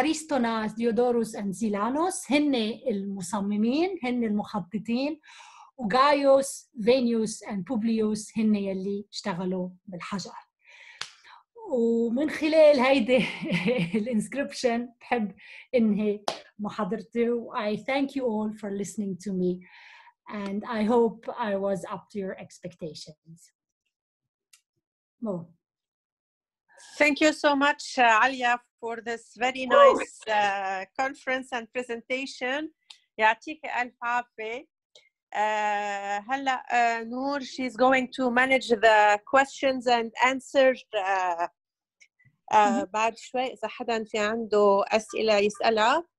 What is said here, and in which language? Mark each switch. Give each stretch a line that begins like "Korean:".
Arabic: أريستوناس، ديودوروس، أند زيلانوس هن المصممين، هن المخططين، وغايوس، فينيوس، أند بوبليوس هن يلي اشتغلوا بالحجر. ومن خلال هيدي الانسكريبشن بحب انهي محاضرتي.
English: I thank you all for listening to me and I hope I was up to your expectations. مو. Thank you so much, Alia, for this very nice conference and presentation.
Arabic: يعطيك ألف عافية. هلأ نور, she's going to manage the questions and answers بعد شوي إذا حدا في عنده أسئلة يسألها.